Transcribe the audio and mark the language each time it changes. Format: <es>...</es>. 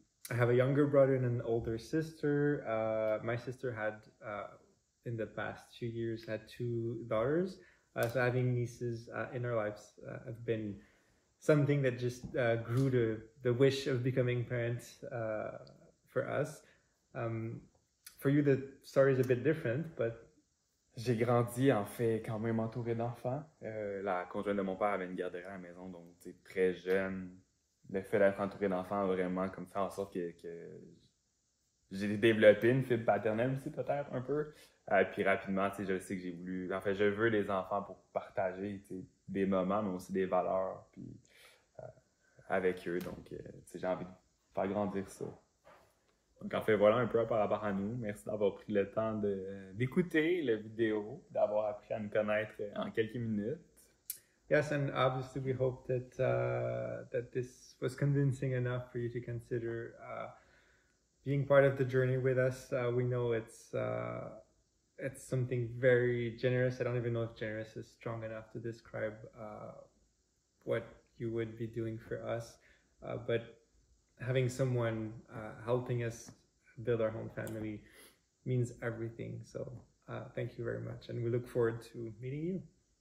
<en>I have a younger brother and an older sister. My sister had in the past 2 years had two daughters. So having nieces in our lives have been something that just grew the wish of becoming parents for us. For you, the story is a bit different, but.</en> <fr>J'ai grandi en fait quand même entouré d'enfants. La conjointe de mon père avait une garderie à la maison, donc tu sais, très jeune. Le fait d'être entouré d'enfants a vraiment comme fait en sorte que j'ai développé une fibre paternelle aussi, peut-être un peu. Puis rapidement, tu sais, je sais que j'ai voulu. En fait, je veux des enfants pour partager, tu sais, des moments, mais aussi des valeurs puis, avec eux. Donc, tu sais, j'ai envie de faire grandir ça. Donc, en fait, voilà un peu par rapport à nous. Merci d'avoir pris le temps d'écouter la vidéo, d'avoir appris à nous connaître en quelques minutes.</fr> <en>Yes, and obviously we hope that that this was convincing enough for you to consider being part of the journey with us. We know it's something very generous. I don't even know if generous is strong enough to describe what you would be doing for us, but having someone helping us build our home family means everything. So thank you very much, and we look forward to meeting you.</en>